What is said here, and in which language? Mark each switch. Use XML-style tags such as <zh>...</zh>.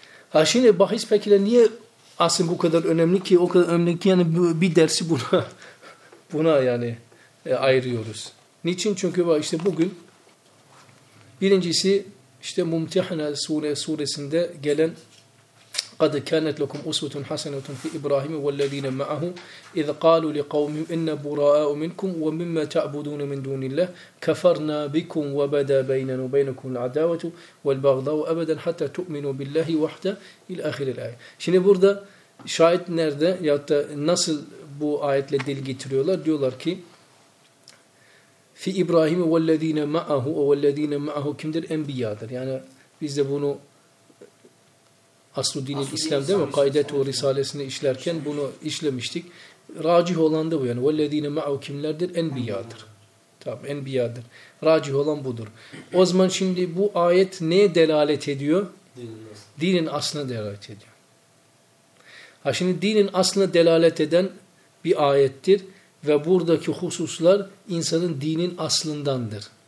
<tr>Ha şimdi bahis pekiyle niye aslında bu kadar önemli ki o kadar önemli ki yani bir dersi buna yani ayırıyoruz. Niçin? Çünkü işte bugün birincisi işte Mumtahana suresinde gelen</tr> <ar>قَدْ كَانَتْ لَكُمْ أُسْوَةٌ حَسَنَةٌ فِي إِبْرَاهِيمَ وَالَّذِينَ مَعَهُ إِذْ قَالُوا لِقَوْمِهِمْ إِنَّا بُرَآءُ مِنْكُمْ وَمِمَّا تَعْبُدُونَ مِنْ دُونِ اللَّهِ كَفَرْنَا بِكُمْ وَبَدَا بَيْنَنَا وَبَيْنَكُمُ الْعَدَاوَةُ وَالْبَغْضَاءُ أَبَدًا حَتَّى تُؤْمِنُوا بِاللَّهِ وَحْدَهُ إِلَى آخِرِ الْآيَةِ.</ar> <tr>Şimdi burada şahit nerede ya da nasıl bu ayetle dil getiriyorlar? Diyorlar ki</tr> <ar>fi İbrahim vellezina ma'ahu</ar> <tr>vellezina ma'ahu kimdir? Enbiya'dır. Yani biz de bunu Asrüddin-i İslam değil mi? Kaidet-i Risalesini işlerken bunu işlemiştik. Racih olan da bu yani.</tr> <ar>وَالَّذ۪ينَ مَعَوْ</ar> <tr>كِمْلَرْدِرْ Enbiya'dır. Tamam, Enbiya'dır. Racih olan budur. O zaman şimdi bu ayet neye delalet ediyor? Dinin aslına delalet ediyor. Ha şimdi dinin aslına delalet eden bir ayettir. Ve buradaki hususlar insanın dinin aslındandır.</tr>